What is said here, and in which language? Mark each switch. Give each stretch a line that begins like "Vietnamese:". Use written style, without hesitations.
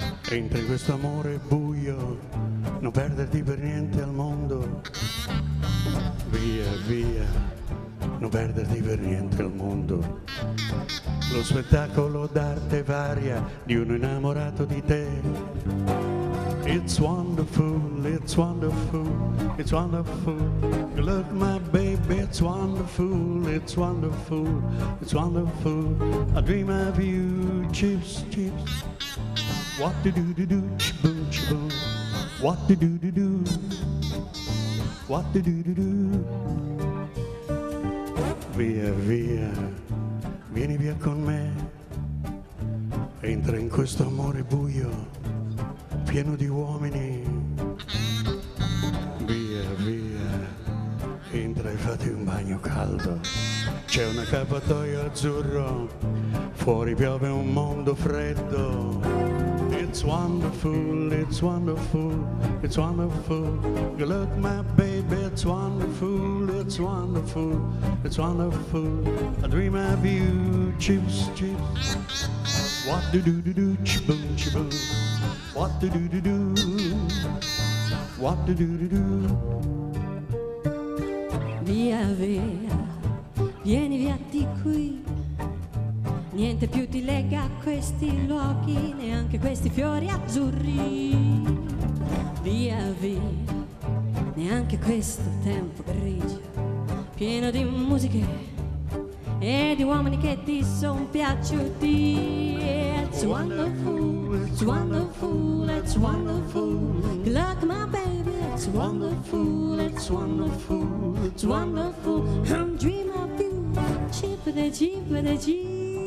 Italian: Entra in questo amore buio, non perderti per niente al mondo. Via, via, non perderti per niente al mondo. Lo spettacolo d'arte varia di uno innamorato di te.
English: It's wonderful, it's wonderful, it's wonderful. Look, my baby, it's wonderful, it's wonderful, it's wonderful. I dream of you, chips, chips. What to do, to do, chiboom, chiboom. What to do, to do. What to do, to do.
Italian: Via, via, vieni via con me. Entra in questo amore buio, pieno di uomini. Via, via, entra e fate un bagno caldo. C'è un accappatoio azzurro, fuori piove un mondo freddo.
English: It's wonderful, it's wonderful, it's wonderful. You look my baby, it's wonderful, it's wonderful, it's wonderful. I dream of you, chips, chips. What do do do do, chiboom, chiboom. What to do to do, what to do to do.
Italian: Via via, vieni via di qui. Niente più ti lega a questi luoghi, neanche questi fiori azzurri. Via via, neanche questo tempo grigio, pieno di musiche e di uomini che ti son piaciuti.
English: It's wonderful, it's wonderful, it's wonderful. Good luck, my baby, it's wonderful, it's wonderful, it's wonderful. I'm dream of you, chip de chip de chip.